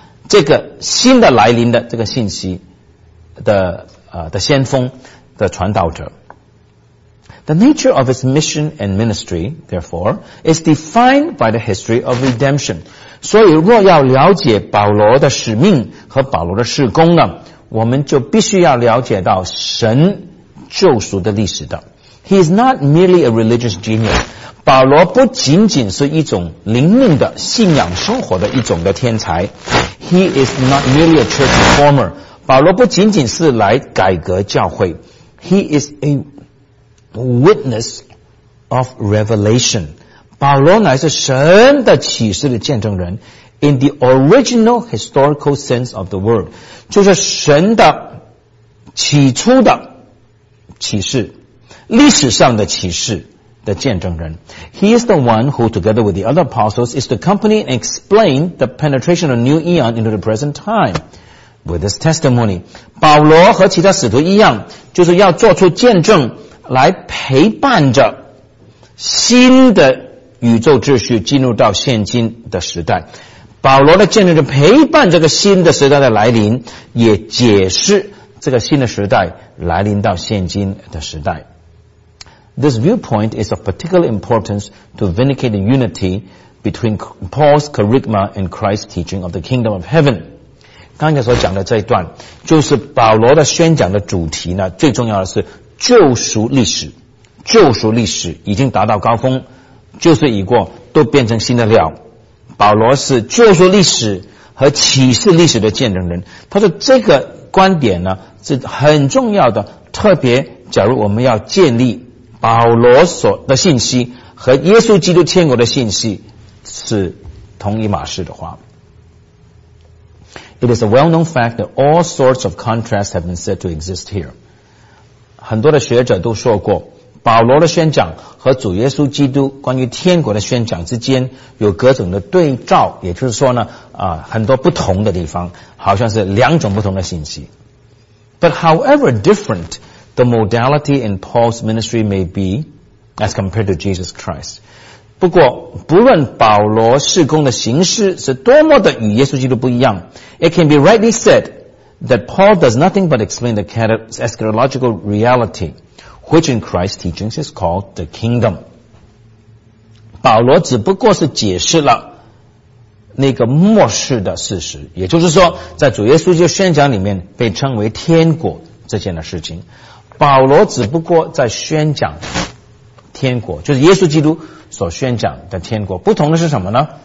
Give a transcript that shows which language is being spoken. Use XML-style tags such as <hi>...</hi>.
<zh>这个新的来临的这个信息 的先锋的传道者</zh> <en>The nature of his mission and ministry therefore is defined by the history of redemption</en> <zh>所以若要了解保罗的使命和保罗的事工呢我们就必须要了解到神救赎的历史的。</zh> <en>He is not merely a religious genius.</en> <zh>保罗不仅仅是一种灵命的信仰生活的一种的天才。</zh> <en>He is not merely a church reformer.</en> <zh>保罗不仅仅是来改革教会。</zh> <en>He is a witness of revelation.</en> <zh>保罗乃是神的启示的见证人。</zh> <en>In the original historical sense of the word,</en> <zh>就是神的起初的启示，历史上的启示的见证人。</zh> <en>He is the one who, together with the other apostles, is to accompany and explain the penetration of new eon into the present time with his testimony.</en> <zh>保罗和其他使徒一样，就是要做出见证来陪伴着新的宇宙秩序进入到现今的时代。保罗的见证就陪伴这个新的时代的来临，也解释这个新的时代来临到现今的时代。</zh> <en>This viewpoint is of particular importance to vindicate the unity between Paul's charisma and Christ's teaching of the kingdom of heaven.</en> <zh>刚才所讲的这一段，就是保罗的宣讲的主题呢，最重要的是救赎历史。救赎历史已经达到高峰，旧事已过，都变成新的料。保罗是救赎历史和启示历史的见证人，他说这个观点呢是很重要的，特别假如我们要建立保罗所的信息和耶稣基督天国的信息是同一码事的话。</zh> <en>It is a well known fact that all sorts of contrasts have been said to exist here.</en> <zh>很多的学者都说过，保罗的宣讲和主耶稣基督关于天国的宣讲之间有各种的对照，也就是说呢，很多不同的地方，好像是两种不同的信息。</zh> <en>But however different the modality in Paul's ministry may be as compared to Jesus Christ,</en> <zh>不过不论保罗事工的形式是多么的与耶稣基督不一样，</zh> <en>It can be rightly said that Paul does nothing but explain the eschatological realityWhich in Christ's teachings is called the kingdom.</en> <zh>保罗只不过是解释了那个末世的事实，也就是说在主耶稣基督宣讲里面被称为天国这件的事情。保罗只不过在宣讲天国，就是耶稣基督所宣讲的天国。不同的是什么呢？</zh>